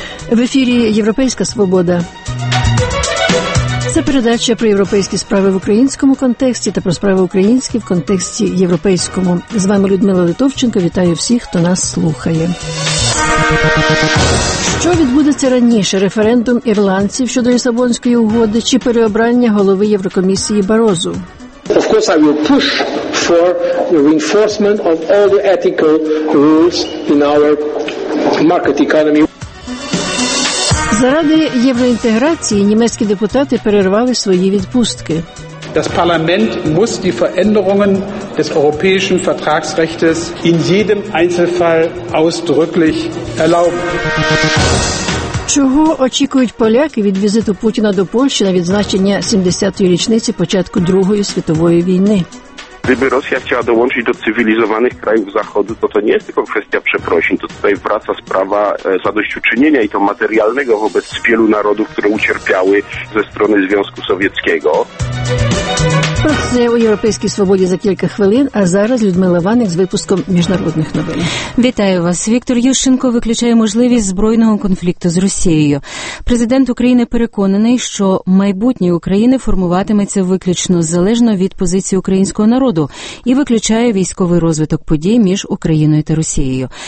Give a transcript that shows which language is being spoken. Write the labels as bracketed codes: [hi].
[uk] В ефірі «Європейська свобода». Це передача про європейські справи в українському контексті та про справи українські в контексті європейському. З вами Людмила Литовченко. Вітаю всіх, хто нас слухає. Що відбудеться раніше – референдум ірландців щодо Лісабонської угоди чи переобрання голови Єврокомісії Барозу? [en] Of course, I will push for the reinforcement of all the ethical rules in our market economy. [uk] Заради євроінтеграції німецькі депутати перервали свої відпустки. [de] Das Parlament muss die Veränderungen des europäischen Vertragsrechts in jedem Einzelfall ausdrücklich erlauben. [uk] Чого очікують поляки від візиту Путіна до Польщі на відзначення 70-ї річниці початку Другої світової війни? [pl] Gdyby Rosja chciała dołączyć do cywilizowanych krajów Zachodu, to to nie jest tylko kwestia przeprosin. To tutaj wraca sprawa zadośćuczynienia i to materialnego wobec wielu narodów, które ucierpiały ze strony Związku Sowieckiego. [uk] Це у європейській свободі за кілька хвилин, а зараз Людмила Ваник з випуском міжнародних новин. Вітаю вас. Віктор Ющенко виключає можливість збройного конфлікту з Росією. Президент України переконаний, що майбутнє України формуватиметься виключно залежно від позиції українського народу і виключає військовий розвиток подій між Україною та Росією.